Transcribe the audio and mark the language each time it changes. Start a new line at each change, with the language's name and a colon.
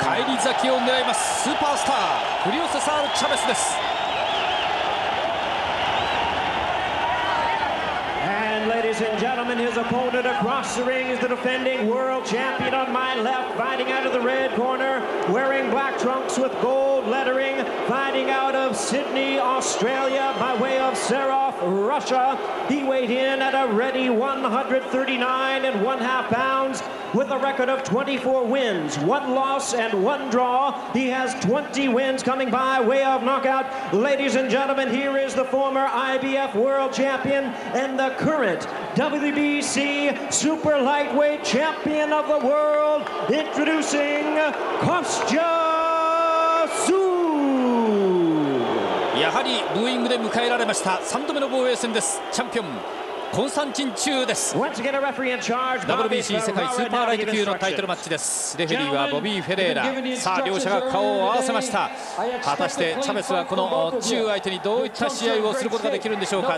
Japanese: 返り咲きを狙いますスーパースター、フリオ・セサール・チャベスです。
English: Ladies and gentlemen, his opponent across the ring is the defending world champion on my left, fighting out of the red corner, wearing black trunks with gold lettering, fighting out of Sydney, Australia, by way of Sarov, Russia. He weighed in at a ready 139 and one half pounds. With a record of 24 wins, 1 loss, and 1 draw, he has 20 wins coming by way of knockout. Ladies and gentlemen, here is the former IBF world champion and the current WBC super lightweight champion of the world, introducing Kostya Su.
Japanese: やはりブーイングで迎えられました3度目の防衛戦です。チャンピオン。コンスタンチン中です。WBC 世界スーパーライト級のタイトルマッチです。レフェリーはボビー・フェレーラ。さあ両者が顔を合わせました。果たしてチャベスはこの中相手にどういった試合をすることができるんでしょうか。